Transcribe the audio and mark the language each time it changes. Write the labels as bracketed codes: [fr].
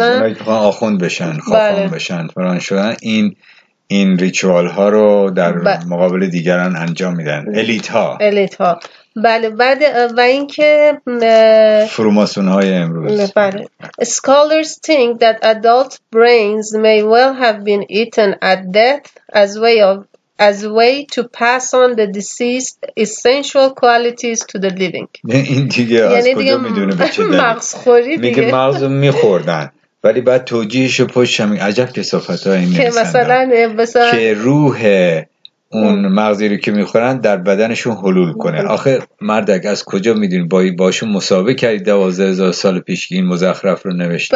[fa] اونایی که خواهن آخوند بشن، خواهن بشن، فران شدن، این ریچوال ها رو در مقابل دیگران انجام میدن، الیت ها. بله. بعد و اینکه فروماسون های امروز، [en] بله، scholars think that adult brains may well have been eaten at death as a way to pass on the deceased essential qualities to the living. [fa] این دیگه از کجا میدونه به چه دلیل مغز خوری دیگه، میگه مغز میخوردن ولی بعد توجیهش رو پشت هم عجب کسافت هایی نمیسندن مثلا که روح اون مغزی رو که میخورن در بدنشون حلول کنه. آخه مردک از کجا میدونی؟ باشون مسابقه کردی 12,000 سال پیش که این مزخرف رو نوشتی؟